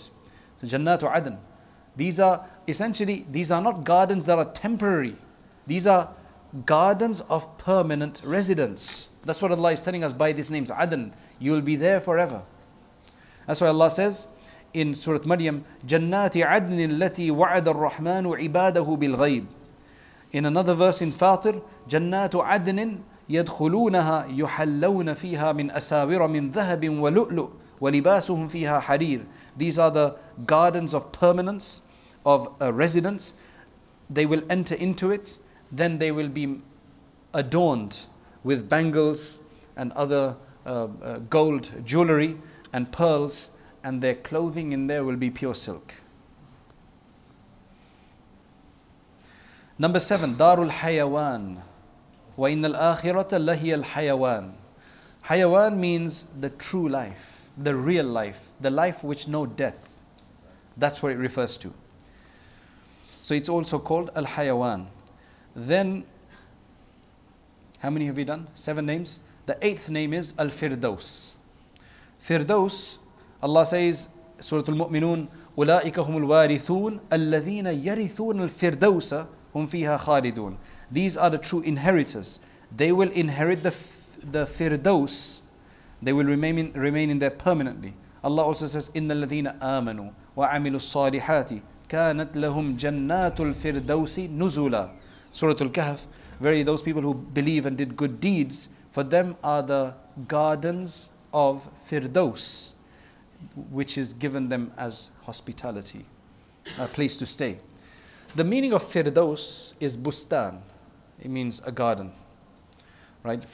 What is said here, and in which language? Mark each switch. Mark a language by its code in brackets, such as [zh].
[en] So jannatu adan, these are not gardens that are temporary. These are gardens of permanent residence. That's what Allah is telling us by these names, adan. You will be there forever. That's why Allah says in Surah Maryam, [ar] جَنَّاتِ عَدْنٍ الَّتِي وَعَدَ الرَّحْمَنُ عِبَادَهُ بِالْغَيْبِ. [en] In another verse in Fatir, [ar] جَنَّاتُ عَدْنٍ يَدْخُلُونَهَا يُحَلَّوْنَ فِيهَا مِنْ أَسَاوِرَ مِنْ ذَهَبٍ وَلُؤْلُؤْ وَلِبَاسُهُمْ فِيهَا حَرِيرٌ. [en] These are the gardens of permanence, of a residence. They will enter into it, then they will be adorned with bangles and other gold jewelry and pearls, and their clothing in there will be pure silk. Number seven, Darul Hayawan. [ar] Wa innal akhirata lahiya al-hayawan. [en] Hayawan means the true life, the real life, the life which no death. That's what it refers to. So it's also called al-hayawan. Then, how many have we done? Seven names. The eighth name is al-firdaus. [ar] Firdaus, [en] Allah says, [ar] Surah Al-Mu'minun, أُولَٰئِكَ هُمُ الْوَارِثُونَ الَّذِينَ يَرِثُونَ الْفِرْدَوْسَ هُمْ فِيهَا خَالِدُونَ. [en] These are the true inheritors. They will inherit the Firdaus. They will remain in there permanently. Allah also says, [ar] إِنَّ الَّذِينَ آمَنُوا وَعَمِلُوا الصَّالِحَاتِ كَانَتْ لَهُمْ جَنَّاتُ الْفِرْدَوْسِ نُزُولًا. [en] Surah Al-Kahf, verily those people who believe and did good deeds, for them are the gardens of Firdaus, which is given them as hospitality, a place to stay. The meaning of Firdaus is bustan. It means a garden. Right?